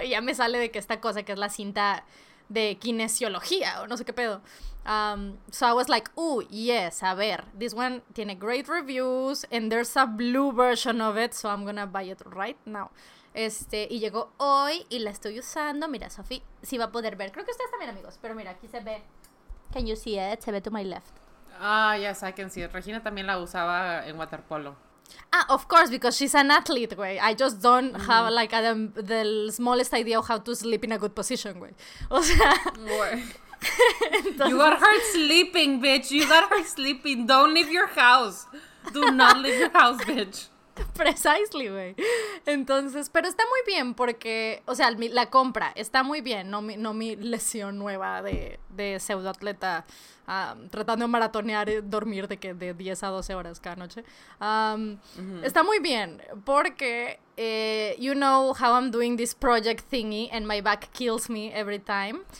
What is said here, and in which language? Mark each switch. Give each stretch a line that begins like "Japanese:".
Spanish: Y ya me sale de que esta cosa que es la cinta de kinesiología o no sé qué pedo.
English: So I was like, ooh, yes,
Spanish: a ver,
English: this one
Spanish: tiene
English: great reviews and there's a blue version of it, so I'm gonna buy it right now.
Spanish: Y llegó hoy y la estoy usando. Mira, Sofi, si va a poder ver, creo que ustedes también, amigos, pero mira, aquí se ve.
English: Can you see it?
Spanish: Se ve
English: to my left. Ah, yes, I can see it. Regina
Spanish: también la usaba en waterpolo.
English: Ah, of course, because she's an athlete, güey. I just don't have, like, the smallest idea of how to sleep in a good position, güey.
Spanish: O sea... Entonces,
English: you got hurt sleeping, bitch. You got hurt sleeping. Don't leave your house. Do not leave your house, bitch. Precisely, güey.
Spanish: Entonces, pero está muy bien porque, o sea, la compra está muy bien, no mi lesión nueva de pseudoatleta tratando de maratonear y dormir de 10 a 12 horas cada noche. Está muy bien porque,
English: you know how I'm doing this project thingy and my back kills me every time.